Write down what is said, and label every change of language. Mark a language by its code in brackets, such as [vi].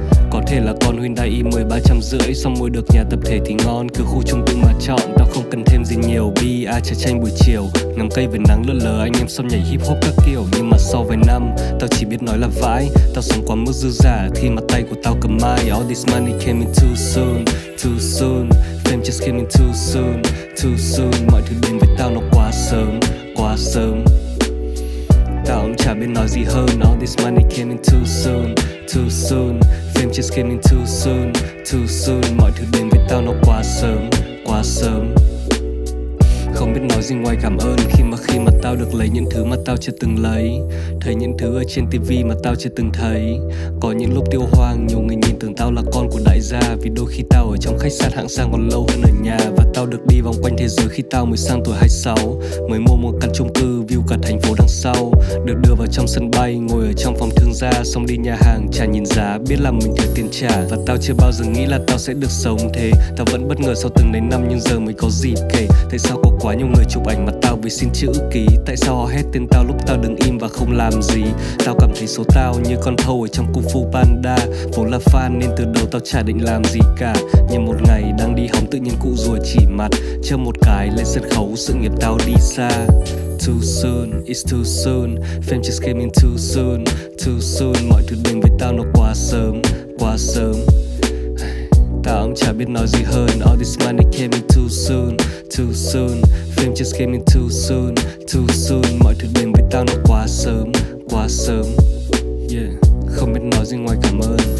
[vi] Có thể là con Hyundai i10 350, xong mua được nhà tập thể thì ngon, cứ khu chung cư mà chọn, tao không cần thêm gì nhiều. Bia trà chanh buổi chiều, ngắm cây với nắng lờ lờ, anh em xong nhảy hip hop các kiểu. Nhưng mà sau vài năm, tao chỉ biết nói là vãi, tao sống quá mức dư giả, khi mà tay của tao cầm mai. [en] All this money came in too soon, too soon. Fame just came in too soon, too soon. [vi] Mọi thứ đến với tao nó quá sớm, quá sớm. Tao cũng chả biết nói gì hơn. [en] All this money came in too soon, too soon. Fame just came in too soon, too soon. [vi] Mọi thứ đến với tao nó quá sớm, quá sớm. Không biết nói gì ngoài cảm ơn khi mà tao được lấy những thứ mà tao chưa từng lấy, thấy những thứ ở trên tivi mà tao chưa từng thấy. Có những lúc tiêu hoang, nhiều người nhìn tưởng tao là con của đại gia, vì đôi khi tao ở trong khách sạn hạng sang còn lâu hơn ở nhà. Và tao được đi vòng quanh thế giới khi tao mới sang tuổi 26, mới mua một căn chung cư view cả thành phố đằng sau, được đưa vào trong sân bay, ngồi ở trong phòng thương gia, xong đi nhà hàng chả nhìn giá, biết là mình thiếu tiền trả. Và tao chưa bao giờ nghĩ là tao sẽ được sống thế, tao vẫn bất ngờ sau từng đấy năm, nhưng giờ mới có dịp kể tại sao có quá nhiều người chụp ảnh mặt tao với xin chữ ký, tại sao họ hét tên tao lúc tao đứng im và không làm gì. Tao cảm thấy số tao như con thâu ở trong Kung Fu Panda, vốn là fan nên từ đầu tao chả định làm gì cả. Nhưng một ngày đang đi hóng tự nhiên cụ rùa chỉ mặt, chơi một cái lên sân khấu sự nghiệp tao đi xa. [en] Too soon, it's too soon, fame just came in too soon, too soon. [vi] Mọi thứ đến với tao nó quá sớm, quá sớm. Tao cũng chả biết nói gì hơn. [en] All this money came in too soon, too soon. Fame just came in too soon, too soon. [vi] Mọi thứ đến với tao nó quá sớm, quá sớm. Yeah, không biết nói gì ngoài cảm ơn.